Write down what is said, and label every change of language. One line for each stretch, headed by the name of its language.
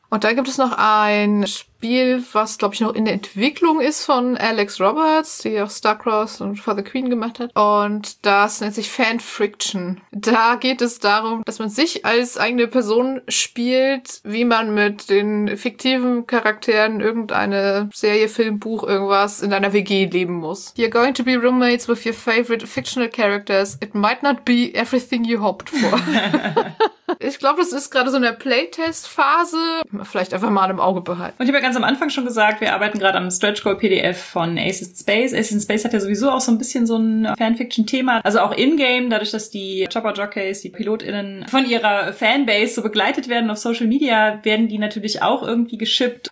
German: Und dann gibt es noch ein Spiel, was, glaube ich, noch in der Entwicklung ist von Alex Roberts, die auch Starcross und For the Queen gemacht hat. Und das nennt sich Fanfriction. Da geht es darum, dass man sich als eigene Person spielt, wie man mit den fiktiven Charakteren irgendeine Serie, Film, Buch, irgendwas in einer WG leben muss.
English: You're going to be roommates with your favorite fictional characters. It might not be everything you hoped for.
German: Ich glaube, das ist gerade so eine Playtest-Phase. Vielleicht einfach mal im Auge behalten. Und ich habe ja ganz am Anfang schon gesagt, wir arbeiten gerade am Stretch-Goal-PDF von Ace in Space. Ace in Space hat ja sowieso auch so ein bisschen so ein Fanfiction-Thema. Also auch in-game, dadurch, dass die Chopper-Jockeys, die PilotInnen von ihrer Fanbase so begleitet werden auf Social Media, werden die natürlich auch irgendwie geschippt.